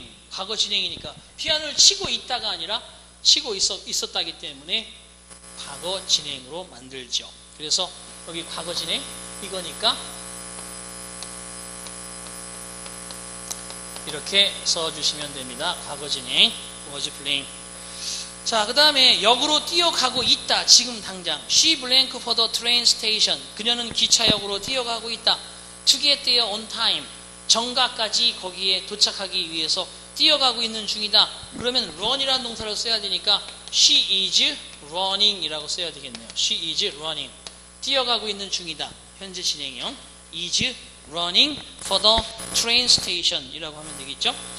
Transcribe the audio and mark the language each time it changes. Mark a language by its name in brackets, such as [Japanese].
[Korean] 과거 진행이니까 피아노를 치고 있다가 아니라 치고 있었다기 때문에 과거 진행으로 만들죠. 그래서 여기 과거 진행 이거니까 이렇게 써주시면 됩니다. 과거 진행 was playing. 자, 그 다음에 역으로 뛰어가고 있다. [English] 지금 당장 She blanked for the train station. [Korean] 그녀는 기차역으로 뛰어가고 있다. [English] To get there on time. [Korean] 정각까지 거기에 도착하기 위해서 뛰어가고 있는 중이다. 그러면 run이라는 동사를 써야 되니까 She is running 이라고 써야 되겠네요. She is running. 뛰어가고 있는 중이다. 현재 진행형 is running for the train station 이라고 하면 되겠죠.